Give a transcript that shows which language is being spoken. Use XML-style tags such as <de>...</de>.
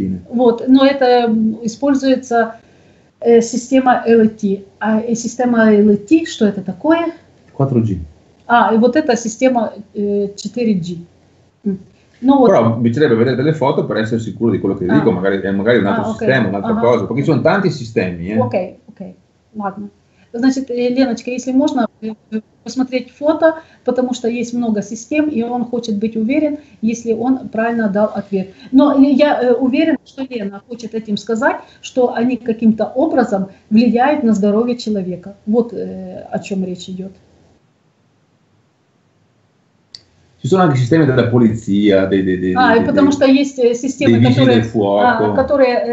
<ru>Вот, но это используется система LTE. А система LTE, что это такое? 4G. А, и вот это система 4G.</ru> <it>No, però bisognerebbe vedere delle foto per essere sicuro di quello che dico, magari un altro sistema, un'altra cosa, perché ci sono tanti sistemi.</it> <ru>Ok, ладно. Значит, Леночка, если можно посмотреть фото, потому что есть много систем, и он хочет быть уверен, если он правильно дал ответ. Но я уверена, что Лена хочет этим сказать, что они каким-то образом влияют на здоровье человека. Вот о чем речь идет.</ru> <it>Ci sono anche sistemi della polizia,</it> <ru>потому что есть системы, которые...</ru>